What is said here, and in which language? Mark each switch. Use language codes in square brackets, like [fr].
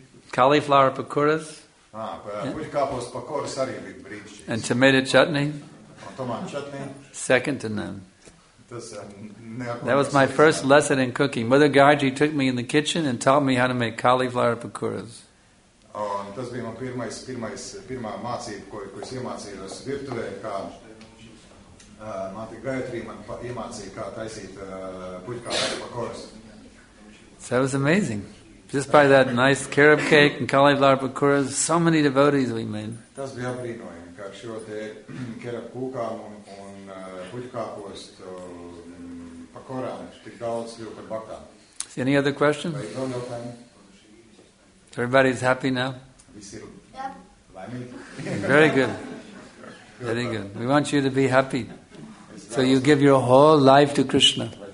[en] Cauliflower pakoras. Yeah. And tomato chutney. Tomato chutney. Second to none. That was my first lesson in cooking. Mother Gargi took me in the kitchen and taught me how to make cauliflower pakoras. [lv] Tas bija man pirmā mācība, ko es iemācījos virtuvē, kā Māte Gayatri man iemācīja, kā taisīt puķkāliflower pakoras. [en] So it was amazing. Just by that nice carob cake and cauliflower pakoras, so many devotees we made. [lv] Tas bija apbrīnojami, kā šo te carob kūkām un puķkāpost pakorām, tik daudz kļūt par baktām. [en] See any other questions? So everybody's happy now? Very good. Very good. We want you to be happy. So you give your whole life to Krishna.